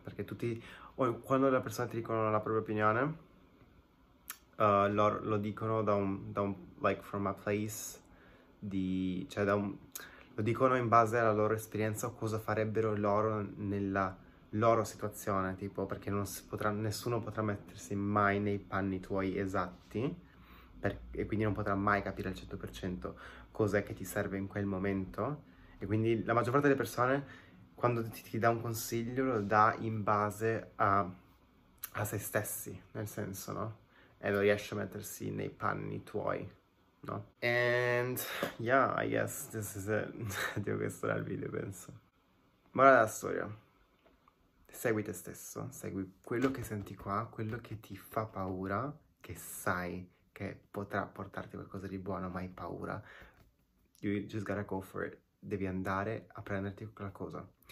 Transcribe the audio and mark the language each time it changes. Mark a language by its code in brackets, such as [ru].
[it] Perché tutti, quando le persone ti dicono la propria opinione, lo dicono [en] like from a place [it] di, cioè lo dicono in base alla loro esperienza o cosa farebbero loro nella loro situazione, tipo, perché non si potrà, nessuno potrà mettersi mai nei panni tuoi esatti e quindi non potrà mai capire al 100% cos'è che ti serve in quel momento. E quindi la maggior parte delle persone, quando ti dà un consiglio, lo dà in base a se stessi, nel senso, no? E non riesce a mettersi nei panni tuoi, no? [en] And yeah, I guess this is it. [it] Dico, questo era il video, penso. Morale della storia. Segui te stesso, segui quello che senti qua, quello che ti fa paura, che sai che potrà portarti qualcosa di buono, ma hai paura. [en] You just gotta go for it. [it] Devi andare a prenderti qualcosa.